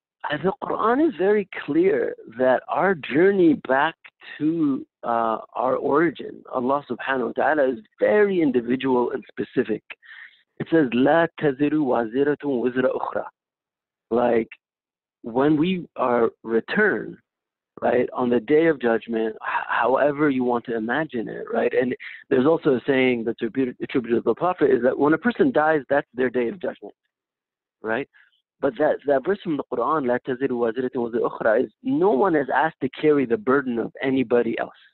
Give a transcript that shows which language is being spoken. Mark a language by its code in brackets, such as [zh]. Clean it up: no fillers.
[en] The Quran is very clear that our journey back to our origin, Allah subhanahu wa ta'ala, is very individual and specific. It says, [ar] لَا تَزِرُ وَازِرَةٌ وِزْرَ أُخْرَى. [en] Like, when we are returned, right, on the day of judgment, however you want to imagine it, right? And there's also a saying that's attributed to the Prophet is that when a person dies, that's their day of judgment, right? But that verse from the Quran, [ar] لَا تَزِرُ وَازِرَةٌ وَزِرَ أُخْرَى, [en] is no one is asked to carry the burden of anybody else.